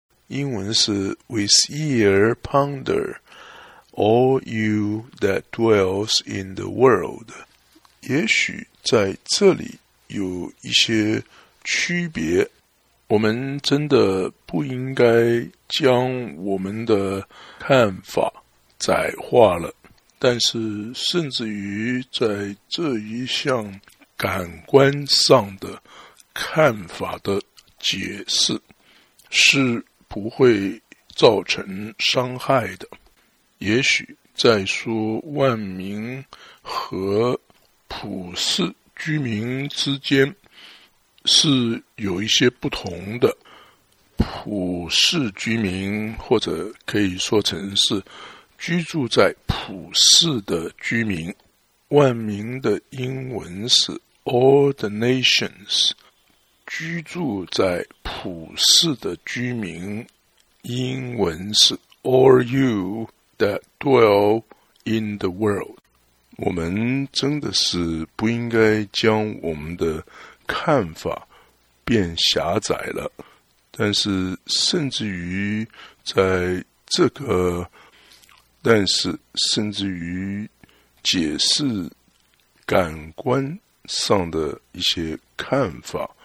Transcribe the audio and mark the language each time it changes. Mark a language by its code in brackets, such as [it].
[en] 英文是 With ear ponder all you that dwells in the world. [zh] 也许在这里有一些区别，我们真的不应该将我们的看法窄化了，但是甚至于在这一项感官上的看法的解释是不会造成伤害的。也许在说万民和普世居民之间是有一些不同的，普世居民或者可以说成是居住在普世的居民。万民的英文是 [en] All the nations， [zh] 居住在普世的居民，英文是 [en] All you that dwell in the world。 [zh] 我们真的是不应该将我们的看法变狭窄了，但是甚至于在这个但是甚至于解释感官上的一些看法